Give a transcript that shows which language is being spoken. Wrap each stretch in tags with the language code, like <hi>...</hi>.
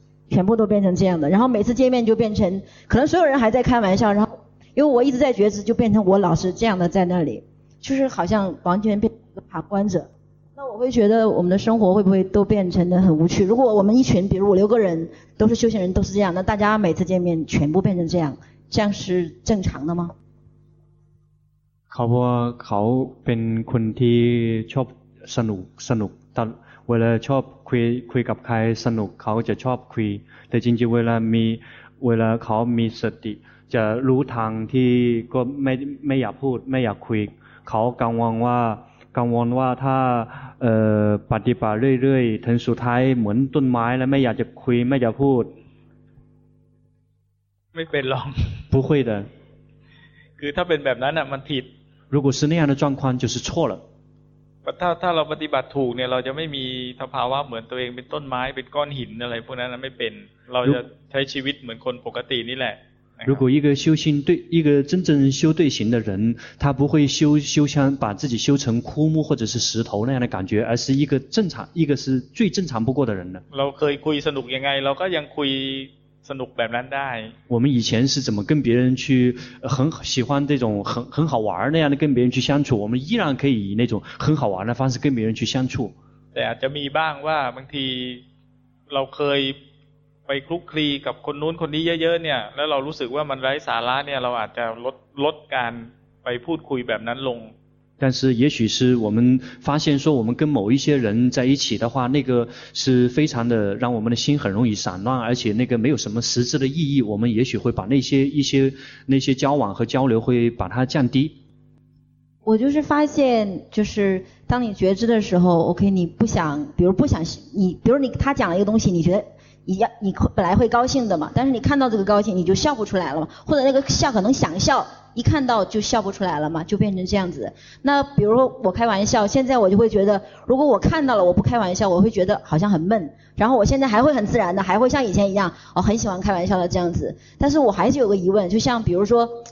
<zh>全部都变成这样的然后每次见面就变成可能所有人还在开玩笑然后因为我一直在觉知就变成我老是这样的在那里就是好像完全变成一个旁观者那我会觉得我们的生活会不会都变成得很无趣如果我们一群比如五六个人都是修行人都是这样那大家每次见面全部变成这样这样是正常的吗</zh> <th>เขาบอกว่าเขาเป็นคนที่ชอบสนุกสนุกตลอดเวลาชอบคุยกับใครสนุกเขาจะชอบคุยแต่จริงๆเวลาเขามีสติจะรู้ทางที่ก็ไม่อยากพูดไม่อยากคุยเขากังวลว่าถ้าปฏิบัติเรื่อยๆถึงสุดท้ายเหมือนต้นไม้แล้วไม่อยากจะคุยไม่อยากพูด ไม่เป็นหรอก</th> <zh>不会的</zh> <th>คือถ้าเป็นแบบนั้นน่ะมันผิด</th> <zh>如果是那样的状况就是错了</zh> <th>ถ้าเราปฏิบัติถูกเนี่ยเราจะไม่มีสภาวะเหมือนตัวเองเป็นต้นไม้เป็นก้อนหินอะไรพวกนั้นไม่เป็นเราจะใช้ชีวิตเหมือนคนปกตินี่แหละ</th> <zh>如果一个修心对一个真正修对行的人他不会修像把自己修成枯木或者是石头那样的感觉而是一个正常一个是最正常不过的人</zh> <th>เราเคยคุยสนุกยังไงเราก็ยังคุยสนุกแบบนั้นได้</th> <zh>我们以前是怎么跟别人去很喜欢这种很好玩那样的跟别人去相处我们依然可以以那种很好玩的方式跟别人去相处</zh> <th>แต่อาจจะมีบ้างว่าบางทีเราเคยไปคลุกคลีกับคนนู้นคนนี้เยอะๆเนี่ยแล้วเรารู้สึกว่ามันไร้สาระเนี่ยเราอาจจะลดการไปพูดคุยแบบนั้นลง</th> <zh>但是也许是我们发现说我们跟某一些人在一起的话那个是非常的让我们的心很容易散乱而且那个没有什么实质的意义我们也许会把那些交往和交流会把它降低我就是发现就是当你觉知的时候 OK 你不想比如不想你比如你他讲了一个东西你觉得你本来会高兴的嘛但是你看到这个高兴你就笑不出来了嘛或者那个笑可能想笑一看到就笑不出来了嘛就变成这样子那比如我开玩笑现在我就会觉得如果我看到了我不开玩笑我会觉得好像很闷然后我现在还会很自然的还会像以前一样我、哦、很喜欢开玩笑的这样子但是我还是有个疑问就像比如说</zh>